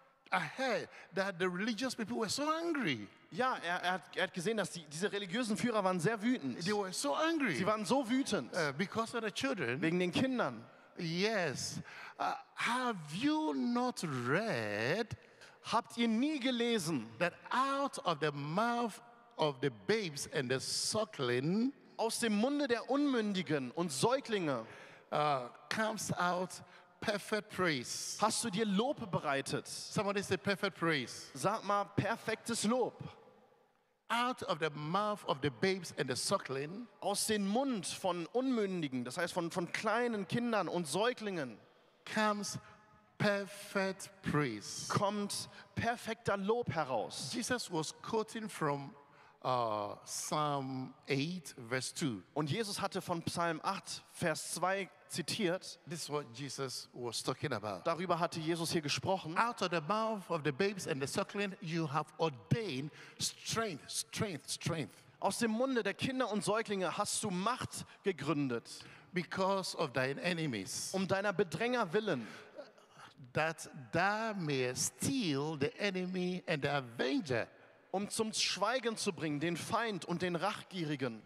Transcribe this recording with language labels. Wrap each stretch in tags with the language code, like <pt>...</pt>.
<en>I heard that the religious people were so angry.</en> <de>Ja, er hat gesehen, dass diese religiösen Führer waren sehr wütend.</de> <en>They were so angry.</en> <de>Sie waren so wütend.</de> <en>Because of the children.</en> <de>Wegen den Kindern.</de> <en>Yes. Have you not read?</en> <de>Habt ihr nie gelesen?</de> <en>That out of the mouth of the babes and the suckling.</en> <de>Aus dem Munde der Unmündigen und Säuglinge.</de> <en>Comes out. Perfect praise.</en> <de>Hast du dir Lob bereitet?</de> <en>Somebody say perfect praise.</en> <de>Sag mal perfektes Lob.</de> <en>Out of the mouth of the babes and the suckling.</en> <de>Aus dem Mund von Unmündigen, das heißt von kleinen Kindern und Säuglingen.</de> <en>Comes perfect praise.</en> <de>Kommt perfekter Lob heraus.</de> <en>Jesus was quoting from Psalm 8, verse 2.</en> <de>Und Jesus hatte von Psalm 8, Vers 2 zitiert.</de> <en>This is what Jesus was talking about.</en> <de>Darüber hatte Jesus hier gesprochen.</de> <en>Out of the mouth of the babes and the suckling, you have ordained strength, strength, strength.</en> <de>Aus dem Munde der Kinder und Säuglinge hast du Macht gegründet.</de> <en>Because of thine enemies.</en> <de>Um deiner Bedränger willen.</de> <en>That thou mayest steal the enemy and the avenger.</en> <de>Um zum Schweigen zu bringen den Feind und den Rachgierigen.</de>